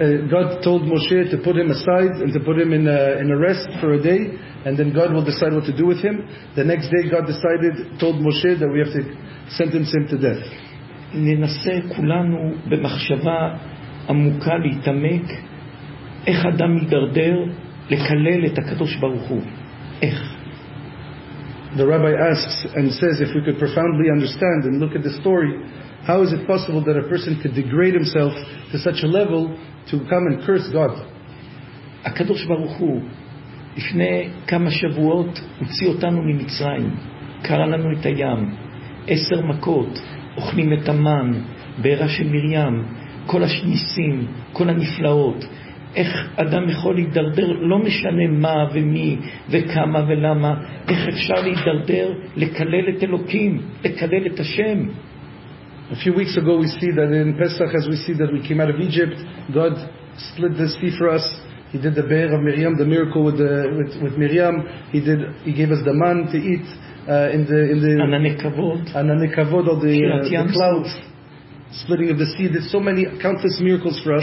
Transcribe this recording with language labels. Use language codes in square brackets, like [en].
[en] God told Moshe to put him aside and to put him in arrest for a day. And then God will decide what to do with him. The next day God decided, told Moshe that we have to sentence him to death. [he] ננסה כולנו במחשבה עמוקה להתעמק איך אדם יידרדר לקלל את הקדוש ברוך הוא. איך? [en] The rabbi asks and says, if we could profoundly understand and look at the story, how is it possible that a person could degrade himself to such a level to come and curse God? [he] הקדוש ברוך הוא לפני כמה שבועות הוציא אותנו ממצרים, קרא לנו את הים, 10 מכות, אוכלים את המן, בעירה של מרים, כל השניסים, כל הנפלאות. איך אדם יכול להידרדר, לא משנה מה ומי וכמה ולמה, איך אפשר להידרדר, לקלל את אלוקים, לקלל את השם? [en] A few weeks ago we see that in Pesach, as we see that we came out of Egypt, God split the sea for us. He did the Be'er of Miriam, the miracle with Miriam. He gave us the man to eat in the [he] Ananekavod, [en] all the clouds, splitting of the sea. There's so many countless miracles for us.